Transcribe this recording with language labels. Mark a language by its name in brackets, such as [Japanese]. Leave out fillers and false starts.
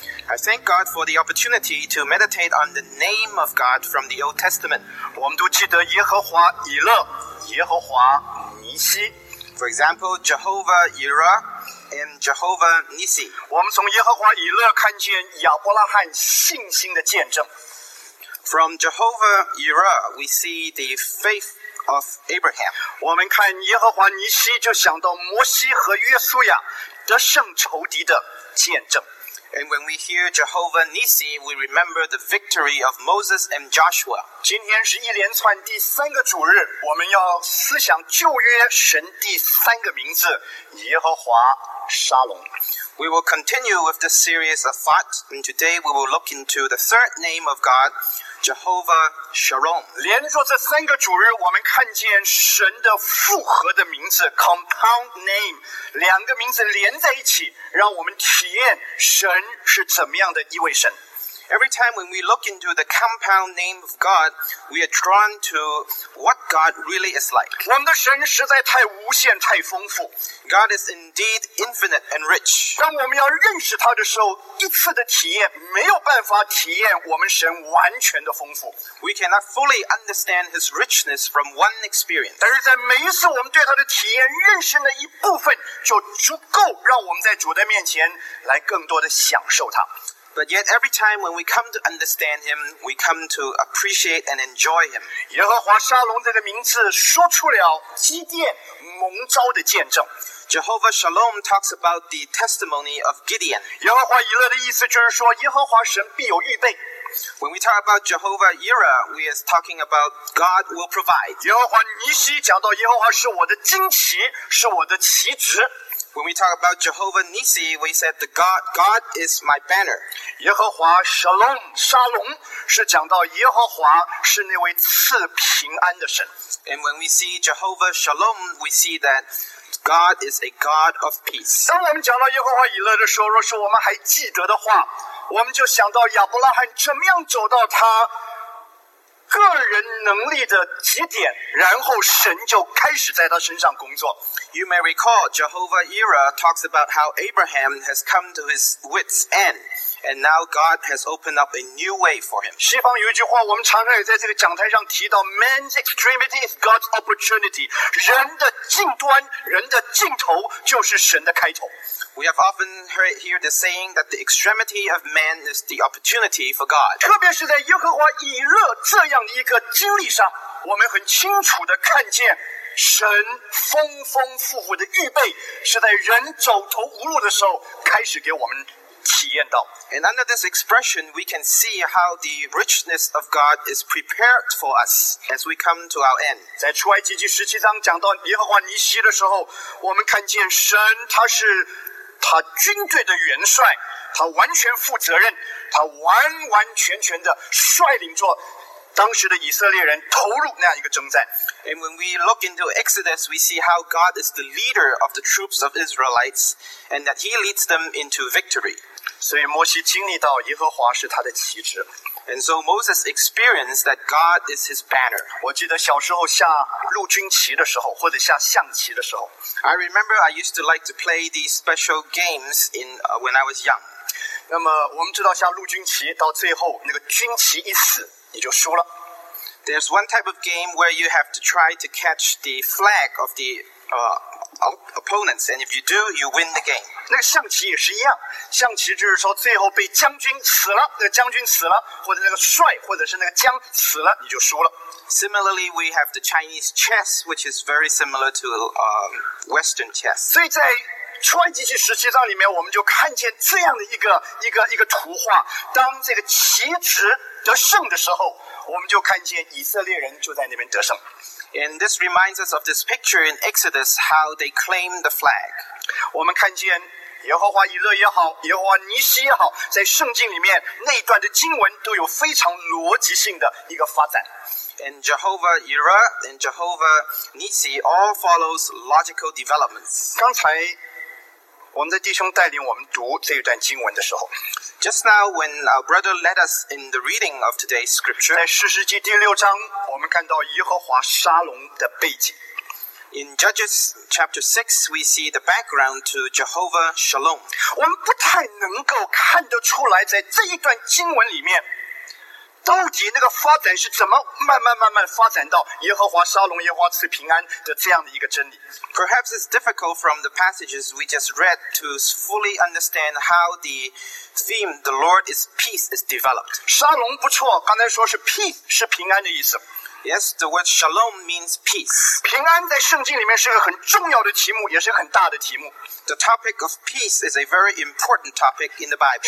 [English] I thank God for the opportunity to meditate on the name of God from the Old Testament. [Chinese] 我们都记得耶和华以勒，耶和华尼西。 [English] For example, Jehovah Jireh and Jehovah Nissi. [Chinese] 我们从耶和华以勒看见亚伯拉罕信心的见证。 [English] From Jehovah Jireh, we see the faithOf Abraham. [Chinese] 我们看耶和华尼西就想到摩西和约书亚得胜仇敌的见证。 [English] And when we hear Jehovah Nissi, we remember the victory of Moses and Joshua. [Chinese] 今天是一连串第三个主日，我们要思想旧约神第三个名字耶和华沙龙。 [English] We will continue with this series of thought, and today we will look into the third name of God. Jehovah Shalom. [Chinese] 连着这三个主日，我们看见神的复合的名字 compound name， 两个名字连在一起，让我们体验神是怎么样的一位神。 [English] Every time when we look into the compound name of God, we are drawn to what God really is like. [Chinese] 我们的神实在太无限太丰富。 [English] God is indeed infinite and rich. [Chinese] 当我们要认识他的时候，一次的体验没有办法体验我们神完全的丰富。 [English] We cannot fully understand his richness from one experience. [Chinese] 但是在每一次我们对他的体验认识的一部分，就足够让我们在主的面前来更多的享受他。 [English] But yet every time when we come to understand him, we come to appreciate and enjoy him. [Chinese] 耶和华沙龙这个名字说出了基甸蒙召的见证。 [English] Jehovah Shalom talks about the testimony of Gideon. [Chinese] 耶和华以勒的意思就是说耶和华神必有预备。 [English] When we talk about Jehovah Jireh, we are talking about God will provide. [Chinese] 耶和华尼西讲到耶和华是我的旌旗，是我的旗帜。 [English] When we talk about Jehovah Nissi, we said the God is my banner. [Chinese] 耶和华沙龙，沙龙是讲到耶和华是那位赐平安的神。 [English] And when we see Jehovah Shalom, we see that God is a God of peace. [Chinese] 当我们讲到耶和华以勒的时候，若是我们还记得的话，我们就想到亚伯拉罕怎么样走到他个人能力的极点，然后神就开始在他身上工作。 [English] You may recall Jehovah Jireh talks about how Abraham has come to his wits' end, and now God has opened up a new way for him. [Chinese] 西方有一句话，我们常常也在这个讲台上提到 ， [English] Man's extremity is God's opportunity. [Chinese] 人的尽端，人的尽头就是神的开头。 [English] We have often heard here the saying that the extremity of man is the opportunity for God. [Chinese] 特别是在耶和华以勒这样的一个经历上，我们很清楚地看见神丰丰富富的预备是在人走投无路的时候开始给我们体验到。 [English] And under this expression, we can see how the richness of God is prepared for us as we come to our end. [Chinese] 在出埃及记十七章讲到耶和华尼西的时候，我们看见神他是他军队的元帅，他完全负责任，他完完全全的率领着当时的以色列人投入那样一个征战。 [English] And when we look into Exodus, we see how God is the leader of the troops of Israelites, and that He leads them into victory. [Chinese] 所以摩西经历到耶和华是他的旗帜。 [English] And so Moses experienced that God is his banner. [Chinese] 我记得小时候下陆军旗的时候，或者下象棋的时候。 [English] I remember I used to like to play these special games when I was young. [Chinese] 那么我们知道下陆军旗到最后那个军旗一死你就输了。 [English] There's one type of game where you have to try to catch the flag of the opponents, and if you do, you win the game. [Chinese] 那个象棋也是一样，象棋就是说最后被将军死了，那个将军死了，或者那个帅，或者是那个将死了，你就输了。 [English] Similarly, we have the Chinese chess, which is very similar to Western chess. [Chinese] 所以在出埃及记十七章里面，我们就看见这样的一个图画，当这个旗帜得胜的时候，我们就看见以色列人就在那边得胜。 [English] And this reminds us of this picture in Exodus, how they claim the flag. [Chinese] 我们看见耶和华以勒也好，耶和华尼西也好，在圣经里面那一段的经文都有非常逻辑性的一个发展。 [English] In Jehovah Jireh, in Jehovah Nissi, all follows logical developments. [Chinese] 刚才我们的弟兄带领我们读这一段经文的时候 [English] ，Just now when our brother led us in the reading of today's scripture, [Chinese] 在士师记第六章，我们看到耶和华沙龙的背景。 [English] In Judges chapter 6, we see the background to Jehovah Shalom. [Chinese] 我们不太能够看得出来，在这一段经文里面。到底那个发展是怎么慢慢慢慢发展到耶和华沙龙耶和华赐平安的这样的一个真理 [English] Perhaps it's difficult from the passages we just read to fully understand how the theme the Lord is peace is developed [Chinese] 沙龙不错刚才说是 peace 是平安的意思 [English] Yes, the word shalom means peace [Chinese] 平安在圣经里面是个很重要的题目也是很大的题目 [English] The topic of peace is a very important topic in the Bible